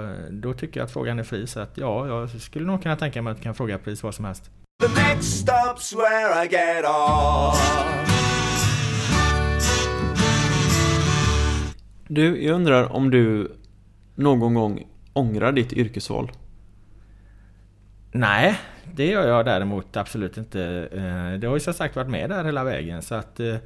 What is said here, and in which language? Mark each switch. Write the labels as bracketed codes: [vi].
[sv] Då tycker jag att frågan är fri, så att ja, jag skulle nog kunna tänka mig att jag kan fråga precis vad som helst. [en] The next stop's where I get off. [sv] Du, jag undrar om du någon gång ångrar ditt yrkesval? Nej, det gör jag däremot absolut inte. Det har ju som sagt varit med där hela vägen, så att...